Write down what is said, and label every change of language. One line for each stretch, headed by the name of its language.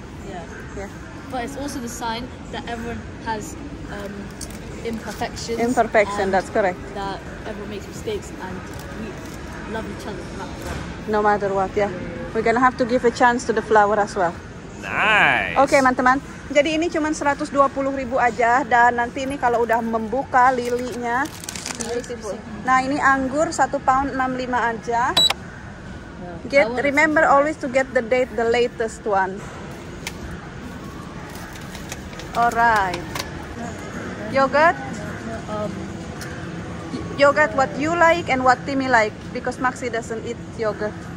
English: Yeah. Yeah. But it's also the sign that everyone has imperfections. Imperfection, that's correct. That everyone makes mistakes and we love each other no matter what. No matter what, yeah. We're gonna have to give a chance to the flower as well. Nice.
Indonesian: Oke, teman-teman. Jadi ini cuma 120.000 aja dan nanti ini kalau udah membuka lilinya. Nah, ini anggur 1 pound 65 aja.
English: Get remember always to get the date the latest one. Alright. Yogurt? Yogurt what you like and what Timmy like because Maxi doesn't eat yogurt.